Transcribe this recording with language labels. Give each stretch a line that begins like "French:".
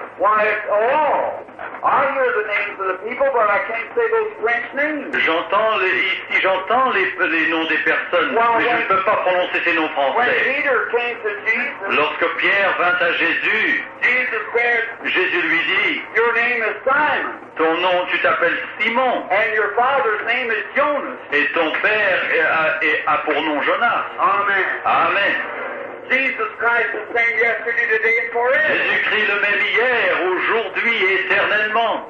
English: Why, I hear the names of the people, but I can't say those French names.
French: J'entends les noms des personnes, mais je ne peux pas prononcer ces noms français.
English: When Peter came to Jesus,
French: lorsque Pierre vint à Jésus, Jésus lui dit,
English: your name is Simon.
French: Ton nom, tu t'appelles Simon.
English: And your father's name is Jonas.
French: Et ton père a pour nom Jonas.
English: Amen.
French: Amen.
English: Jesus Christ the same yesterday, today, and forever.
French: Jésus-Christ le même hier, aujourd'hui, éternellement.